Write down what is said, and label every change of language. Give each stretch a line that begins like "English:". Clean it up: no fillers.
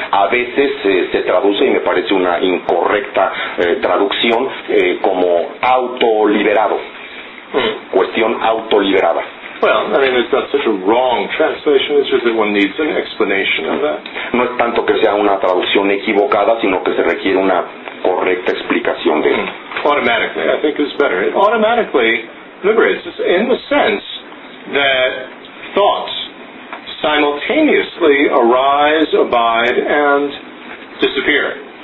Spanish: A veces se traduce, y me parece una incorrecta traducción, como autoliberado. Cuestión autoliberada.
English: Well, I mean, it's not such a wrong translation, it's just that one needs an explanation of that.
Spanish: No es tanto que sea una traducción equivocada, sino que se requiere una correcta explicación de ello.
English: Automatically, I think, is better. It automatically liberates, in the sense that thoughts simultaneously arise, abide, and disappear.